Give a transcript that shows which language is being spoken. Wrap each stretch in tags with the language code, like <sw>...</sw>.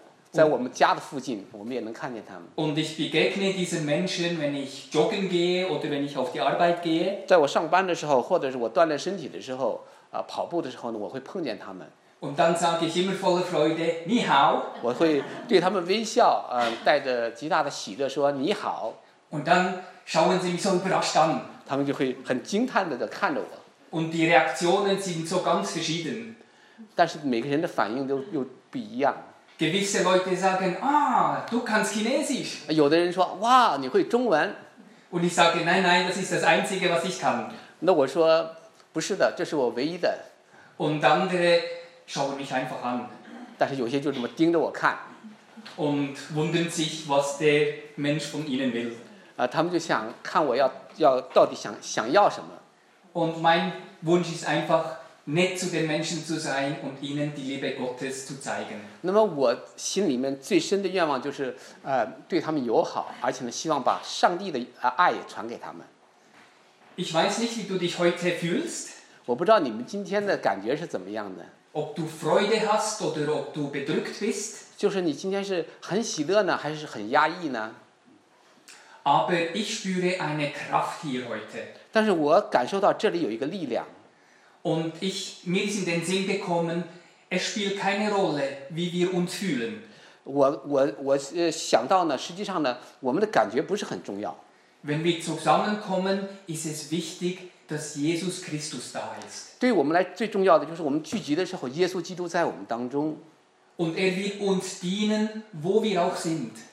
<zh>在我们家的附近，我们也能看见他们。</zh> <de>Und ich begegne diesen Menschen, wenn ich joggen gehe oder wenn ich auf die Arbeit gehe.</de> <zh>在我上班的时候，或者是我锻炼身体的时候，跑步的时候呢，我会碰见他们。</zh> <de>Und dann sage ich immer voller Freude,</de> <zh>你好。我会对他们微笑，带着极大的喜乐说你好。</zh> <de>Und dann schauen sie mich so überrascht an.</de> <zh>他们就会很惊叹的看着我。</zh> <de>Und die Reaktionen sind so ganz verschieden.</de> <zh>但是每个人的反应都又不一样。</zh> <de>Gewisse Leute sagen, ah, du kannst Chinesisch.</de> <zh>有的人说，哇，你会中文。</zh> <de>Und ich sage, nein, nein, das ist das Einzige, was ich kann.</de> <zh>那我说，不是的，这是我唯一的。</zh> <de>Und andere schauen mich einfach an.</de> <zh>但是有些就这么盯着我看。</zh> <de>Und wundern sich, was der Mensch von ihnen will.</de> <zh>他们就想看我要到底想要什么。</zh> <de>Und mein Wunsch ist einfach,nett zu den Menschen zu sein und ihnen die Liebe Gottes zu zeigen.</de> <zh>那么我心里面最深的愿望就是，对他们友好，而且呢，希望把上帝的爱也传给他们。</zh> <de>Ich weiß nicht, wie du dich heute fühlst.</de> <zh>我不知道你们今天的感觉是怎么样的。</zh> <de>Ob du Freude hast oder ob du bedrückt bist.</de> <zh>就是你今天是很喜乐呢，还是很压抑呢？</zh> <de>Aber ich spüre eine Kraft hier heute.</de> <zh>但是我感受到这里有一个力量。</zh> <de>Und ich, mir ist in den Sinn gekommen, es spielt keine Rolle, wie wir uns fühlen.</de> <zh>我想到呢，实际上呢，我们的感觉不是很重要。</zh> <de>Wenn wir zusammenkommen, ist es wichtig, dass Jesus Christus da ist.</de> <zh>对我们来最重要的就是我们聚集的时候，耶稣基督在我们当中。</zh> <de>Und er wird uns dienen, wo wir auch sind.</de>